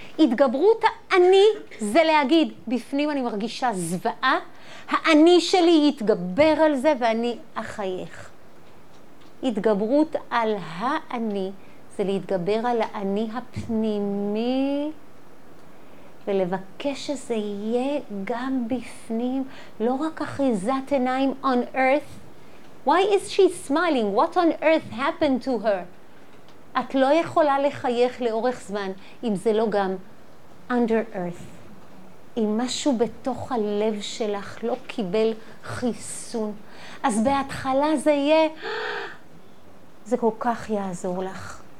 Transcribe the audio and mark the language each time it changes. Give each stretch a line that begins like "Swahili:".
Hebrew: התגברות האני זה להגיד בפנים אני מרגישה זוועה, האני שלי יתגבר על זה ואני אחייך. התגברות על האני זה להתגבר על האני הפנימי ולבקש שזה יהיה גם בפנים, לא רק אחיזת עיניים
English: on earth. Why is she smiling? What on earth happened to her?
Hebrew: את לא יכולה לחייך לאורך זמן אם זה לא גם
English: under earth.
Hebrew: אם משהו בתוך הלב שלך לא קיבל חיסון, אז בהתחלה זה יהיה, זה כל כך יעזור לך.